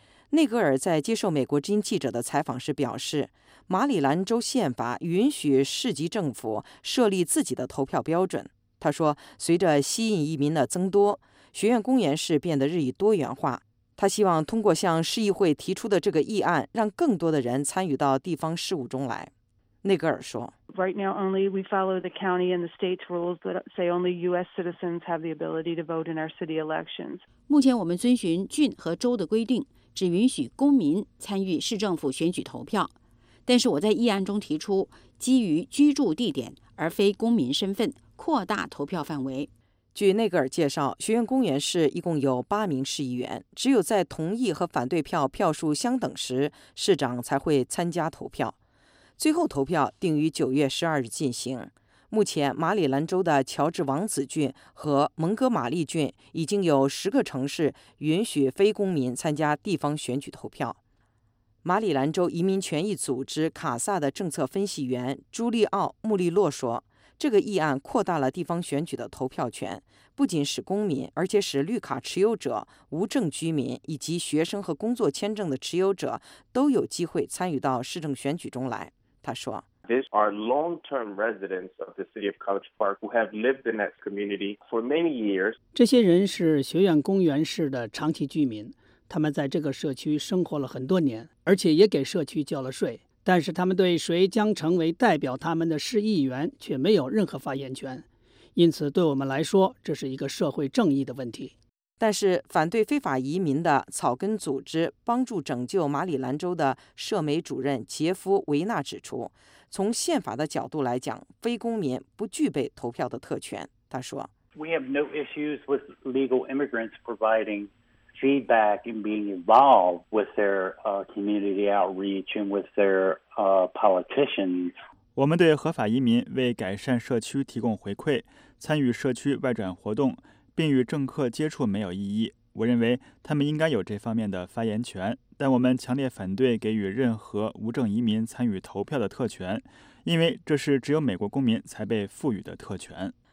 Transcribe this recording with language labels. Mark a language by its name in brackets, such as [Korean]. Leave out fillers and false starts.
[Chinese] 内格尔在接受美国之音记者的采访时表示，马里兰州宪法允许市级政府设立自己的投票标准。他说，随着吸引移民的增多，学院公园市变得日益多元化。他希望通过向市议会提出的这个议案，让更多的人参与到地方事务中来。内格尔说 [English] ：“Right now, only we follow the county and the state's rules that say only U.S. citizens have the ability to vote in our city elections。 [Chinese] 目前我们遵循郡和州的规定，只允许公民参与市政府选举投票。但是我在议案中提出，基于居住地点而非公民身份，扩大投票范围。” 据内格尔介绍，学院公园市一共有八名市议员，只有在同意和反对票票数相等时，市长才会参加投票。最后投票定于9月12日进行。目前，马里兰州的乔治王子郡和蒙哥马利郡已经有10个城市允许非公民参加地方选举投票。马里兰州移民权益组织卡萨的政策分析员朱利奥·穆利洛说，这个议案扩大了地方选举的投票权，不仅使公民，而且使绿卡持有者、无证居民以及学生和工作签证的持有者都有机会参与到市政选举中来。他说 [English] ：“These are long-term residents of the city of College Park who have lived in that community for many years。 [Chinese] 这些人是学院公园市的长期居民，他们在这个社区生活了很多年，而且也给社区交了税。” 但是他们对谁将成为代表他们的市议员却没有任何发言权，因此对我们来说，这是一个社会正义的问题。但是反对非法移民的草根组织帮助拯救马里兰州的社媒主任杰夫·维纳指出，从宪法的角度来讲，非公民不具备投票的特权。他说 [English] ：“We have no issues with legal immigrants providing.” feedback and being involved with their community outreach and with their politicians. [Chinese] 我们对合法移民为改善社区提供回馈、参与社区外转活动并与政客接触没有异议。我认为他们应该有这方面的发言权，但我们强烈反对给予任何无证移民参与投票的特权，因为这是只有美国公民才被赋予的特权。